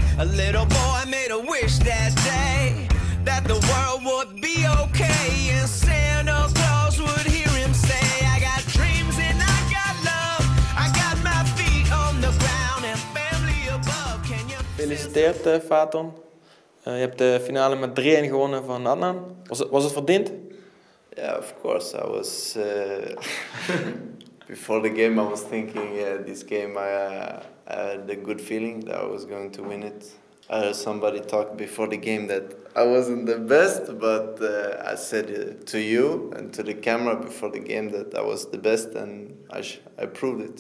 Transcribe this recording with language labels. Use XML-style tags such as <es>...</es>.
<en>A little boy made a wish that day that the world would be okay, and Santa Claus would hear him say, I got dreams and I got love, I got my feet on the ground and family above. Can you...</en> <nl>Gefeliciteerd,</nl> <en>Faton.</en> <nl>Je hebt de finale met 3-1 gewonnen van Adnan. Was het verdiend?</nl> <en>Yeah, of course. I was before the game. I was thinking, yeah, this game. I had a good feeling that I was going to win it. I heard somebody talk before the game that I wasn't the best, but I said to you and to the camera before the game that I was the best, and I proved it.</en>